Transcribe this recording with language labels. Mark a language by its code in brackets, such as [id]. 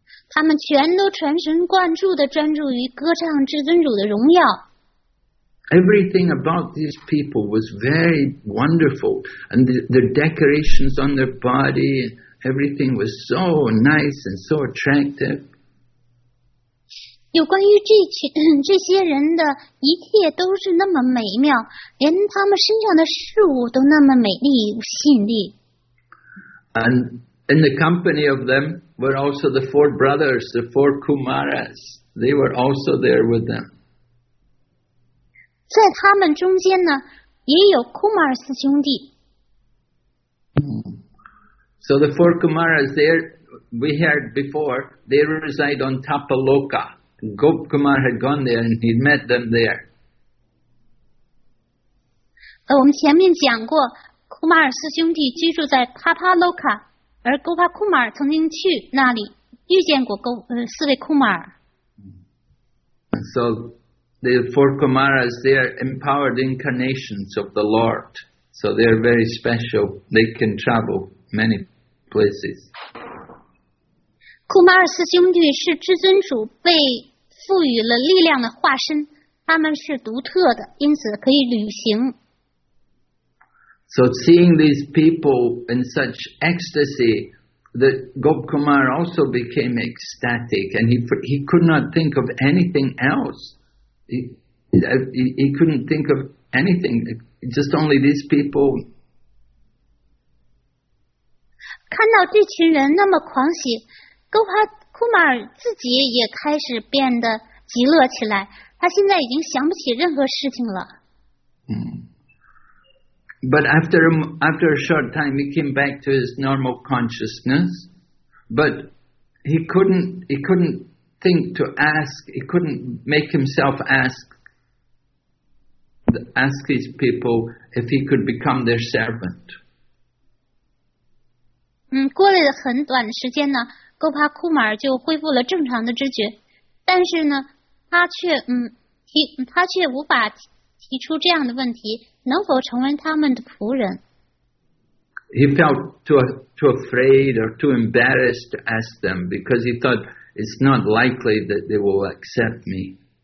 [zh] 他们全都全神贯注地专注于歌唱至尊主的荣耀。 [en] Everything about these people was very wonderful, and the decorations on their body, everything was so nice and so attractive. [zh] 有关于这些人的一切都是那么美妙，连他们身上的事物都那么美丽有吸引力。 [en] And in the company of them were also the four brothers, the four Kumaras. They were also there with them. [zh] 在他们中间呢，也有库马尔斯兄弟。 [en] So the four Kumaras there, we heard before, they reside on Tapaloka. Gop Kumar had gone there and he'd met them there. [zh] 我们前面讲过，库马尔斯兄弟居住在塔帕洛卡，而戈帕库马尔曾经去那里遇见过四位库马尔。 [en] So the four Kumaras, they are empowered incarnations of the Lord. So they are very special. They can travel many places. [zh] 库马尔斯兄弟是至尊主被赋予了力量的化身，他们是独特的，因此可以旅行。 [en] So seeing these people in such ecstasy, that Gop Kumar also became ecstatic, and he could not think of anything else. He couldn't think of anything, just only these people. [zh] 看到这群人那么狂喜。库马尔自己也开始变得极乐起来，他现在已经想不起任何事情了。 [en] But after a short time, he came back to his normal consciousness. But he couldn't make himself ask his people if he could become their servant. [zh] 过了很短时间呢。戈帕库马尔就恢复了正常的知觉，但是呢，他却无法提出这样的问题：能否成为他们的仆人 [en] ？He felt too afraid or too embarrassed to ask them because he thought it's not likely that they will accept me.